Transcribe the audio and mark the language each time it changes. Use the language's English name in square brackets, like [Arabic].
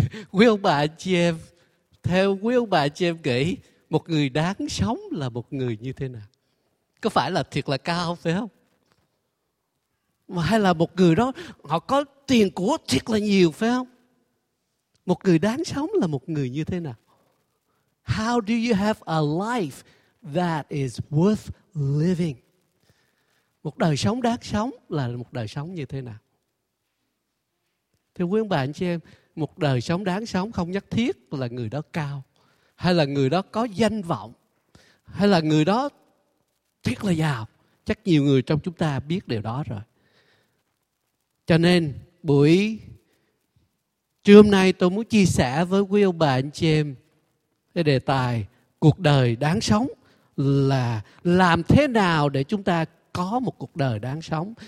[Vietnamese] Quý ông bà Jim, theo quý ông bà Jim nghĩ, một người đáng sống là một người như thế nào? Có phải là thiệt là cao phải không? Hay là một người đó họ có tiền của thiệt là nhiều phải không? Một người đáng sống là một người như thế nào? [English] How do you have a life that is worth living? [Vietnamese] Một đời sống đáng sống là một đời sống như thế nào? Thưa quý ông bà anh chị em, một đời sống đáng sống không nhất thiết là người đó cao, hay là người đó có danh vọng, hay là người đó thiệt là giàu. Chắc nhiều người trong chúng ta biết điều đó rồi. Cho nên buổi trưa hôm nay tôi muốn chia sẻ với quý ông bà anh chị em cái đề tài cuộc đời đáng sống, là làm thế nào để chúng ta có một cuộc đời đáng sống.